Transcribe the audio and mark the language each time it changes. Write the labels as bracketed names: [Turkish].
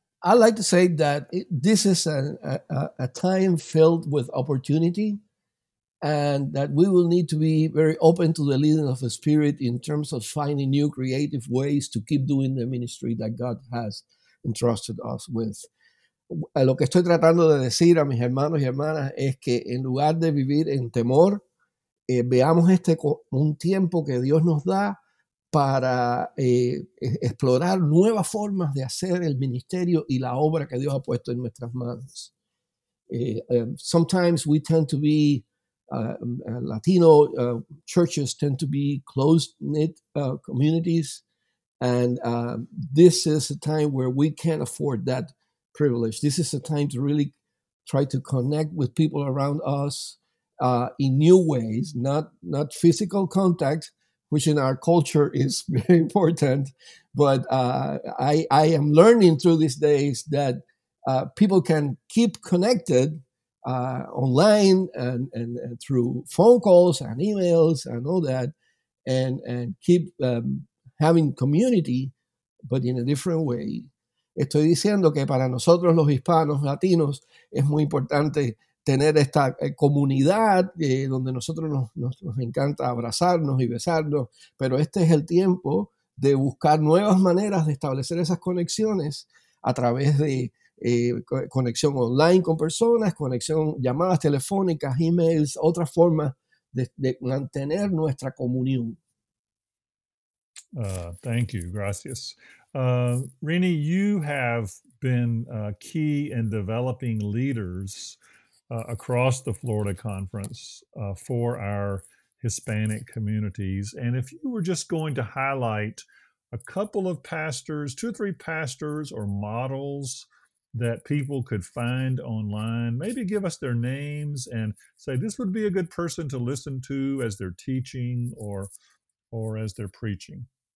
[English] I'd like to say that this is a time filled with opportunity, and that we will need to be very open to the leading of the Spirit in terms of finding new creative ways to keep doing the ministry that God has entrusted us with. [Spanish] Lo que estoy tratando de decir a mis hermanos y hermanas es que en lugar de vivir en temor, veamos este un tiempo que Dios nos da para explorar nuevas formas de hacer el ministerio y la obra que Dios ha puesto en nuestras manos. [English] Sometimes we tend to be Latino churches tend to be close-knit communities. And this is a time where we can't afford that privilege. This is a time to really try to connect with people around us in new ways, not physical contact, which in our culture is very important. But I am learning through these days that people can keep connected online and through phone calls and emails and all that, and keep having community, but in a different way. [Spanish] Estoy diciendo que para nosotros los hispanos latinos es muy importante tener esta comunidad donde nosotros nos encanta abrazarnos y besarnos, pero este es el tiempo de buscar nuevas maneras de establecer esas conexiones a través de conexión online con personas, conexión, llamadas telefónicas, emails, otras formas de mantener nuestra comunión. [English] Thank you. [Spanish] Gracias. [English] Rini, you have been key in developing leaders across the Florida Conference for our Hispanic communities. And if you were just going to highlight a couple of pastors, two or three pastors or models that people could find online, maybe give us their names and say this would be a good person to listen to as they're teaching or as they're preaching.